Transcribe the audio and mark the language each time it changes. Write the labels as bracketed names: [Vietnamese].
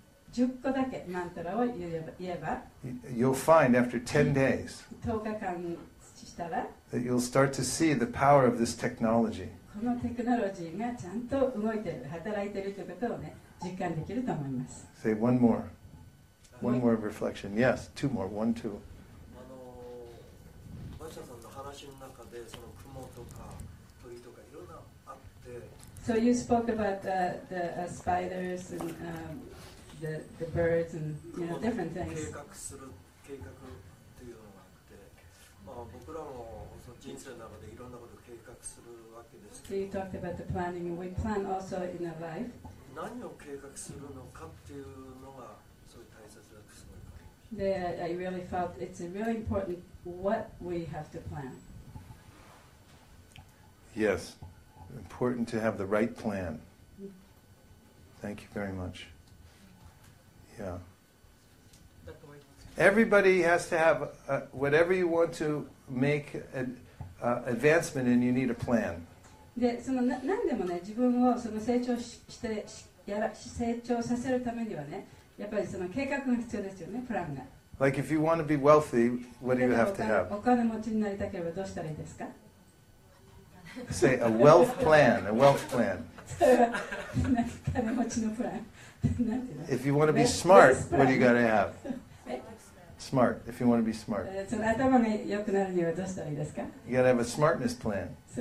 [Japanese] 10個だけマントラを言えば、 [English] You'll find after 10 days [Japanese] 10日間したら、 [English] that you'll start to see the power of this technology. [Japanese] このテクノロジーがちゃんと動いてる、働いてるということをね、実感できると思います。 [English] Say one more. One more reflection. Yes, two more. One, two. [Japanese] あの、マシャさんの話の中で、その雲とか鳥とかいろんなあって。 [English] So you spoke about the spiders and, the birds and, you know, different things. [Japanese] 計画する計画というのがあって、まあ、僕らもその人生の中でいろんなことを計画するわけですけど、 [English] so、you talked about the planning. We plan also in our life. [Japanese] 何を計画するのかっていうのがすごい大切だと思います。 [English] I really felt it's really important what we have to plan. Yes, important to have the right plan. Thank you very much. Yeah. Everybody has to have whatever you want to make an advancement in, you need a plan. [Japanese] で、その何でもね、自分をその成長して、成長させるためにはね、やっぱりその計画が必要ですよね、プランが。 [English] Like if you want to be wealthy, what do you have to have? [Japanese] お金持ちになりたければどうしたらいいですか? [English] Say a wealth plan, a wealth plan. [Japanese] それは金持ちのプラン。 [English] If you want to be smart, what do you got to have? Smart. If you want to be smart. You got to have a smartness plan.